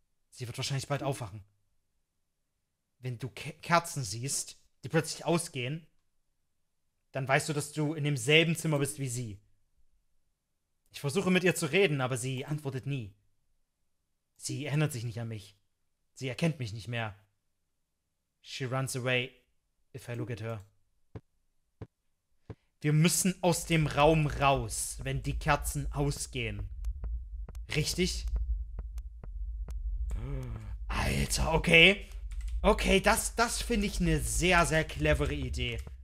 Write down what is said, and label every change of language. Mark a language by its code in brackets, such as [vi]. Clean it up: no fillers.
[de] Sie wird wahrscheinlich bald aufwachen. Wenn du Kerzen siehst, die plötzlich ausgehen, dann weißt du, dass du in demselben Zimmer bist wie sie. Ich versuche mit ihr zu reden, aber sie antwortet nie. Sie erinnert sich nicht an mich. Sie erkennt mich nicht mehr. [en] She runs away if I look at her. [de] Wir müssen aus dem Raum raus, wenn die Kerzen ausgehen. Richtig? Alter, okay. Okay, das finde ich eine sehr, sehr clevere Idee.